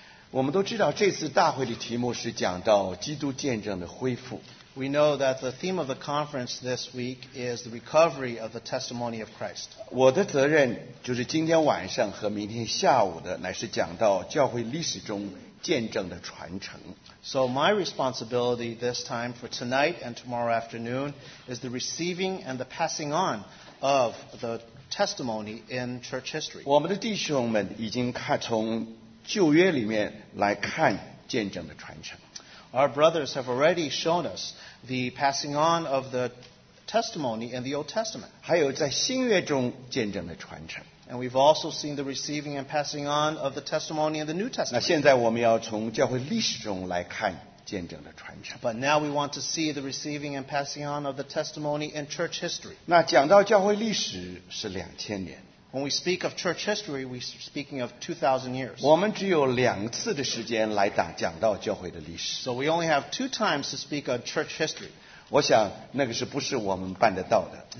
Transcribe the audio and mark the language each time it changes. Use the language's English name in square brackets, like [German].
[Chinese] 我们都知道这次大会的题目是讲到基督见证的恢复。 [English] We know that the theme of the conference this week is the recovery of the testimony of Christ. [Chinese] 我的责任就是今天晚上和明天下午的乃是讲到教会历史中见证的传承。 [English] So my responsibility this time for tonight and tomorrow afternoon is the receiving and the passing on of the testimony in church history. [Chinese] 我们的弟兄们已经看从旧约里面来看见证的传承。 [English] Our brothers have already shown us the passing on of the testimony in the Old Testament. [Chinese] 还有在新约中见证的传承。 [English] And we've also seen the receiving and passing on of the testimony in the New Testament. [Chinese] 那现在我们要从教会历史中来看见证的传承。 [English] But now we want to see the receiving and passing on of the testimony in church history. [Chinese] 那讲到教会历史是2000年。 [English] When we speak of church history, we're speaking of 2,000 years. [Chinese] 我们只有两次的时间来讲到教会的历史。 [English] So we only have two times to speak of church history. [Chinese] 我想那个是不是我们办得到的。